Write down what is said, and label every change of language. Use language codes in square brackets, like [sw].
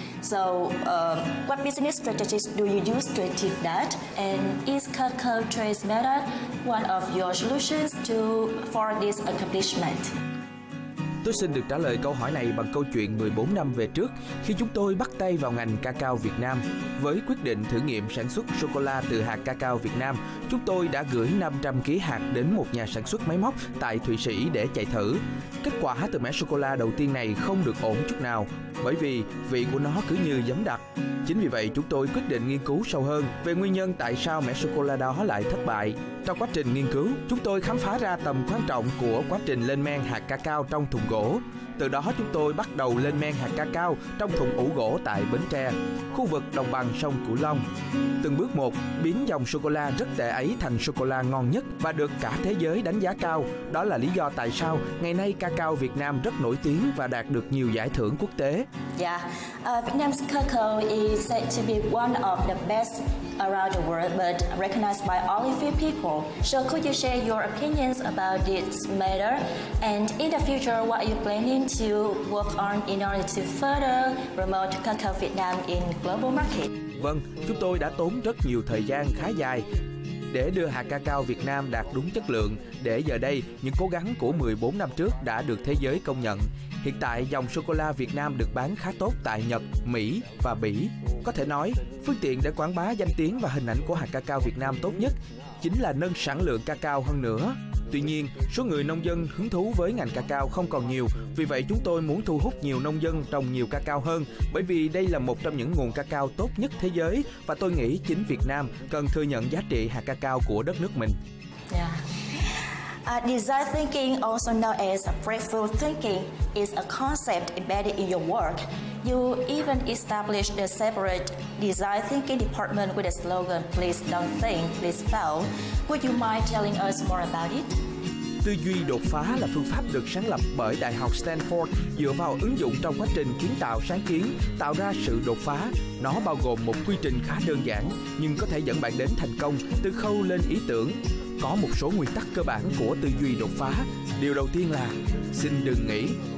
[en] So what business strategies do you use to achieve that? And is Cacao Trace method one of your solutions to for this accomplishment? [vi] Tôi xin được trả lời câu hỏi này bằng câu chuyện 14 năm về trước, khi chúng tôi bắt tay vào ngành cacao Việt Nam. Với quyết định thử nghiệm sản xuất sô-cô-la từ hạt cacao Việt Nam, chúng tôi đã gửi 500 kg hạt đến một nhà sản xuất máy móc tại Thụy Sĩ để chạy thử. Kết quả từ mẻ sô-cô-la đầu tiên này không được ổn chút nào, bởi vì vị của nó cứ như giấm đặc. Chính vì vậy, chúng tôi quyết định nghiên cứu sâu hơn về nguyên nhân tại sao mẻ sô-cô-la đó lại thất bại. Trong quá trình nghiên cứu, chúng tôi khám phá ra tầm quan trọng của quá trình lên men hạt cacao trong thùng gỗ. Từ đó, chúng tôi bắt đầu lên men hạt cacao trong thùng ủ gỗ tại Bến Tre, khu vực đồng bằng sông Cửu Long. Từng bước một, biến dòng sô-cô-la rất tệ ấy thành sô-cô-la ngon nhất và được cả thế giới đánh giá cao. Đó là lý do tại sao ngày nay cacao Việt Nam rất nổi tiếng và đạt được nhiều giải thưởng quốc tế. [en] Yeah, Vietnam's cacao is said to be one of the best around the world, but recognized by only few people. So could you share your opinions about this matter? And in the future, what are you planning to work on in order to further promote cacao Vietnam in global market? [vi] Vâng, chúng tôi đã tốn rất nhiều thời gian khá dài để đưa hạt cacao Việt Nam đạt đúng chất lượng, để giờ đây những cố gắng của 14 năm trước đã được thế giới công nhận. Hiện tại, dòng sô-cô-la Việt Nam được bán khá tốt tại Nhật, Mỹ và Bỉ. Có thể nói, phương tiện để quảng bá danh tiếng và hình ảnh của hạt cacao Việt Nam tốt nhất chính là nâng sản lượng cacao hơn nữa. Tuy nhiên, số người nông dân hứng thú với ngành cacao không còn nhiều, vì vậy chúng tôi muốn thu hút nhiều nông dân trồng nhiều cacao hơn, bởi vì đây là một trong những nguồn cacao tốt nhất thế giới và tôi nghĩ chính Việt Nam cần thừa nhận giá trị hạt cacao của đất nước mình. [en] Design thinking, also known as breakthrough thinking, is a concept embedded in your work. You even established a separate design thinking department with a slogan, "Please don't think, please fail." Would you mind telling us more about it? [vi] Tư duy đột phá là phương pháp được sáng lập bởi Đại học Stanford, dựa vào ứng dụng trong quá trình kiến tạo sáng kiến, tạo ra sự đột phá. Nó bao gồm một quy trình khá đơn giản, nhưng có thể dẫn bạn đến thành công từ khâu lên ý tưởng. Có một số nguyên tắc cơ bản của tư duy đột phá. Điều đầu tiên là xin đừng nghĩ.